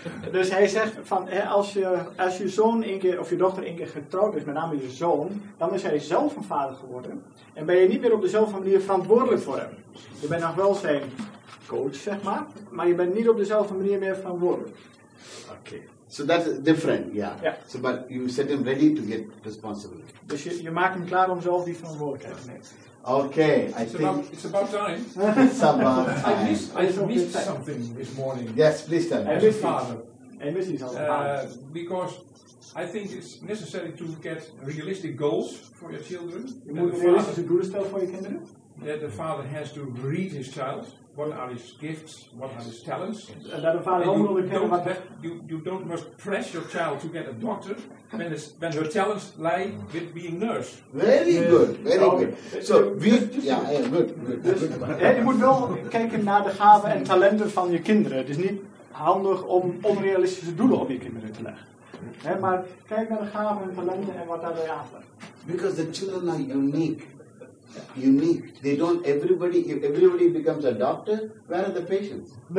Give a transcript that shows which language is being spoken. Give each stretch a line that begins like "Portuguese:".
Dutch: Dus hij zegt van als je zoon een keer of je dochter een keer getrouwd is, met name je zoon, dan is hij zelf een vader geworden. En ben je niet meer op dezelfde manier verantwoordelijk voor hem. Je bent nog wel zijn coach, zeg maar, maar je bent niet op dezelfde manier meer verantwoordelijk. Oké.
English: So that's different, yeah. Yeah. So but you set him ready to get responsibility.
Dutch: Dus je maakt hem klaar om zelf die verantwoordelijkheid te nemen.
English: Okay, it's about time. I missed something this morning. Yes, please tell me. I missed his father. Because I think it's necessary to get realistic goals for your children.
Dutch: Je moet realistische doelen stellen voor je kinderen.
English: That the father has to read his child. What are his gifts? What are his talents?
Dutch: Dat de vader ook wil kennen wat.
English: You don't must press your child to get a doctor when her talents lie with being nurse. Very good. So we. Yeah, good.
Dutch: Je moet wel kijken naar de gaven en talenten van je kinderen. Het is niet handig om onrealistische doelen op je kinderen te leggen. Hey, maar kijk naar de gaven en talenten en wat daarbij aanvraagt.
English: Because the children are unique. Unique. They don't everybody if everybody becomes a doctor, where are the patients?